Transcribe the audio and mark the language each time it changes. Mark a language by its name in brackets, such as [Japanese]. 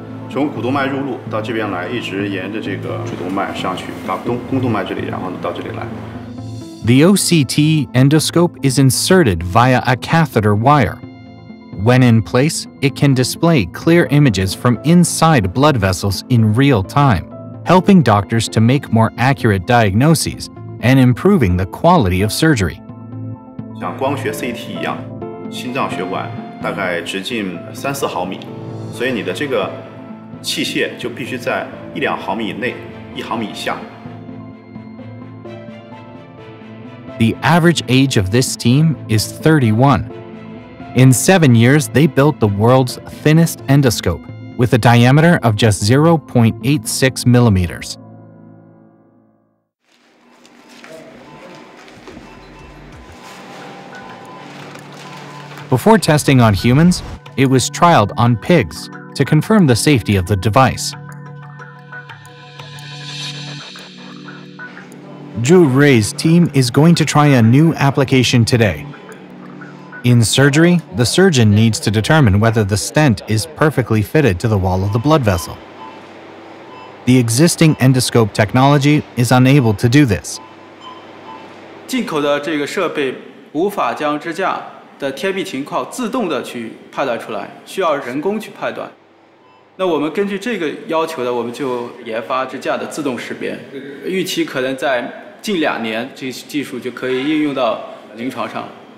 [Chinese] 从股动脉入路到这边来，一直沿着这个主动脉上去，到肱动脉这里，然后到这里来。 [English] The OCT endoscope is inserted via a catheter wire. When in place, it can display clear images from inside blood vessels in real time, helping doctors to make more accurate diagnoses and improving the quality of surgery. [Chinese] 像光学 CT 一样，心脏血管大概直径3-4毫米，所以你的这个器械就必须在1-2毫米以内，一毫米以下。 [English] The average age of this team is 31. In 7 years, they built the world's thinnest endoscope with a diameter of just 0.86 millimeters. Before testing on humans, it was trialed on pigs to confirm the safety of the device. Zhu Rei's team is going to try a new application today. In surgery, the surgeon needs to determine whether the stent is perfectly fitted to the wall of the blood vessel. The existing endoscope technology is unable to do this. [Chinese] 进口的这个设备无法将支架的贴密情况自动的去判断出来，需要人工去判断。那我们根据这个要求呢，我们就研发支架的自动识别，预期可能在近两年，这技术就可以应用到临床上。